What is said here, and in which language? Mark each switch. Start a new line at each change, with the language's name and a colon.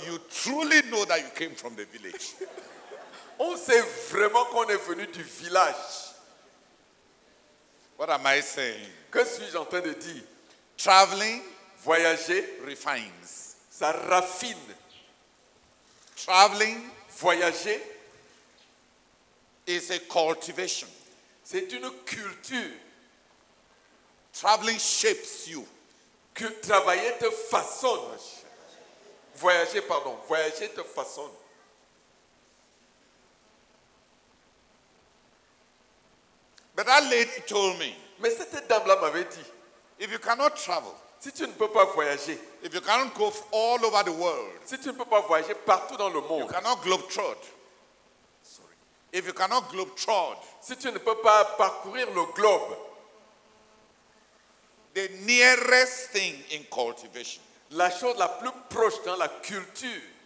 English: You truly know that you came from the village.
French: On sait vraiment qu'on est venu du village.
English: What am I saying?
French: Que suis-je en train de dire?
English: Traveling,
French: voyager,
English: refines.
French: Ça raffine.
English: Traveling,
French: voyager,
English: is a cultivation.
French: C'est une culture.
English: Traveling shapes you.
French: Que travailler te façonne. Voyager, pardon. Voyager te façonne.
English: But that lady told me.
French: Mais cette dame-là m'avait dit.
English: If you cannot travel.
French: Si tu ne peux pas voyager.
English: If you cannot go all over the world.
French: Si tu ne peux pas voyager partout dans le monde.
English: You cannot globetrot. Sorry. If you cannot globetrot.
French: Si tu ne peux pas parcourir le globe.
English: The nearest thing in cultivation.
French: La chose la plus proche dans la culture.